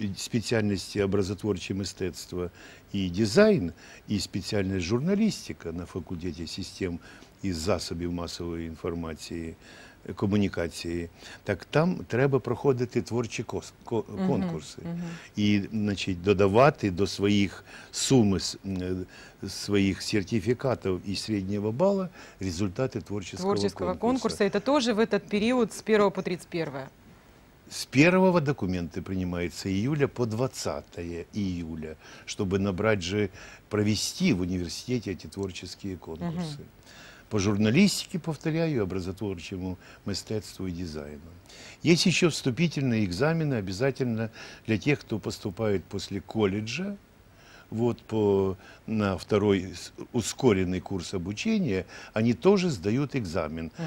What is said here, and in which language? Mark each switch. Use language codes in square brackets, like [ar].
[ru] Специальности образотворчее мастерство и дизайн, и специальность журналистика на факультете систем и засобів массовой информации, коммуникации, [uk] так там треба проходити творчі конкурси. І, значить, додавати до своїх суми, своїх сертифікатів і середнього балу результати творчого конкурсу. Це теж в цей період з 1 по 31? З 1 документи приймаються [ru] июля по 20 июля, [uk] щоб набрати же, провести в університеті ці творчі конкурси. [ru] По журналистике, повторяю, образотворчему мастерству и дизайну. Есть еще вступительные экзамены обязательно для тех, кто поступает после колледжа, вот на второй ускоренный курс обучения, они тоже сдают экзамен.